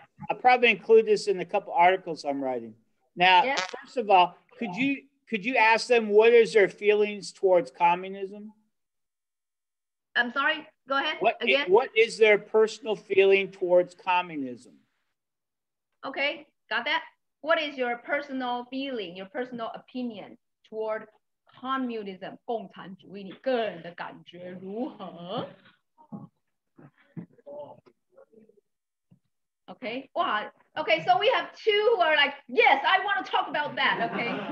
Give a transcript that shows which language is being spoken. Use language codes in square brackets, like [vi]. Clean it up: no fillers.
[en] I'll probably include this in a couple articles I'm writing. Now, First of all, could you ask them what is their feelings towards communism? I'm sorry? Go ahead, What is their personal feeling towards communism? Okay, got that. What is your personal feeling, your personal opinion toward communism? [zh] 共产主义, 你个人的感觉如何? [en] Okay, wow. Okay, so we have two who are like, yes, I want to talk about that, okay?